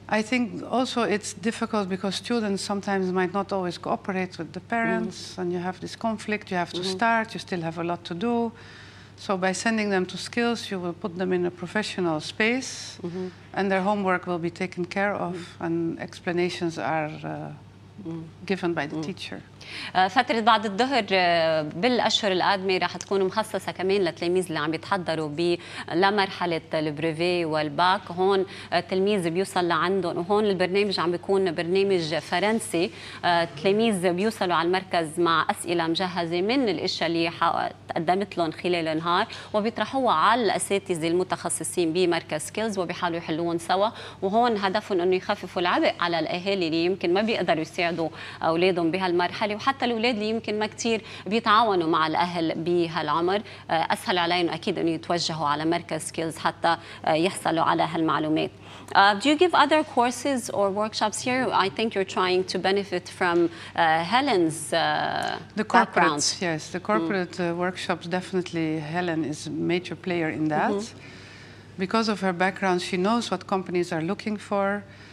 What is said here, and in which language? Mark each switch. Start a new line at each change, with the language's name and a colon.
English: I think also it's difficult because students sometimes might not always cooperate with the parents mm. and you have this conflict, you have to mm. start, you still have a lot to do. So by sending them to Skillz, you will put them in a professional space mm-hmm. and their homework will be taken care of mm. and explanations are given by the mm. teacher.
Arabic: فترة بعد الظهر بالأشهر القادمة راح تكون مخصصة كمان للتلاميذ اللي عم يتحضروا بمرحلة البريفي والباك هون التلميذ بيوصل لعندهم وهون البرنامج عم بيكون برنامج فرنسي التلاميذ بيوصلوا على المركز مع أسئلة مجهزة من الأشياء اللي تقدمت لهم خلال النهار وبيطرحوها على الأساتذة المتخصصين بمركز سكيلز وبيحاولوا يحلوهم سوا وهون هدفهم أنه يخففوا العبء على الأهالي اللي يمكن ما بيقدروا يساعدوا أولادهم بهالمرحلة وحتى الأولاد اللي يمكن ما كتير بيتعاونوا مع الأهل بهالعمر أسهل عليهم أكيد أن يتوجهوا على مركز سكيلز حتى يحصلوا على هالمعلومات.
English: Do you give other courses or workshops here? I think you're trying to benefit from Helen's the corporate, background. Yes, the corporate mm. Workshops, definitely Helen is a major player in that. Mm-hmm. Because of her background, she knows what companies are looking for.